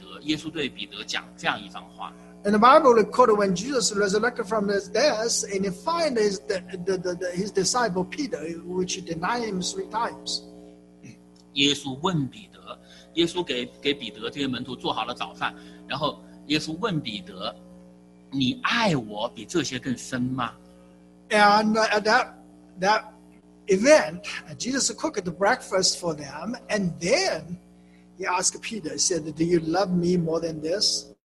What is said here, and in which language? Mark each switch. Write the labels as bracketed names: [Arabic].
[Chinese] 耶稣从死里复活，耶稣又找到那个不认他的门徒西门彼得。耶稣对彼得讲这样一番话。 [English] And the Bible quoted when Jesus resurrected from his death, and he find his disciple Peter, which denied him three times. [Chinese] 耶稣问彼得，耶稣给彼得这些门徒做好了早饭，然后耶稣问彼得，你爱我比这些更深吗？ [English] And that event, Jesus cooked the breakfast for them, and then he asked Peter, he said, do you love me more than this?